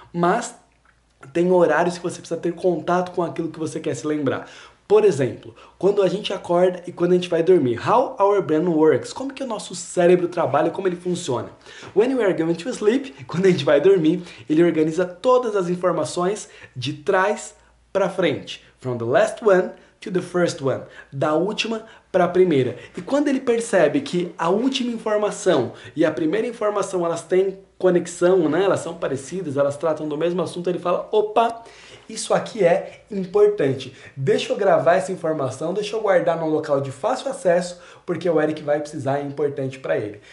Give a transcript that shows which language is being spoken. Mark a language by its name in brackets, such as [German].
[Portuguese] Mas tem horários que você precisa ter contato com aquilo que você quer se lembrar. Por exemplo, quando a gente acorda e quando a gente vai dormir. [English] How our brain works? [Portuguese] Como que o nosso cérebro trabalha? Como ele funciona? [English] When we are going to sleep, [Portuguese] quando a gente vai dormir, ele organiza todas as informações de trás para frente. [English] From the last one to the first one. [Portuguese] Da última para a primeira. E quando ele percebe que a última informação e a primeira informação elas têm conexão, né? Elas são parecidas, elas tratam do mesmo assunto, ele fala, opa, isso aqui é importante. Deixa eu gravar essa informação, deixa eu guardar num local de fácil acesso, porque o Eric vai precisar, é importante para ele.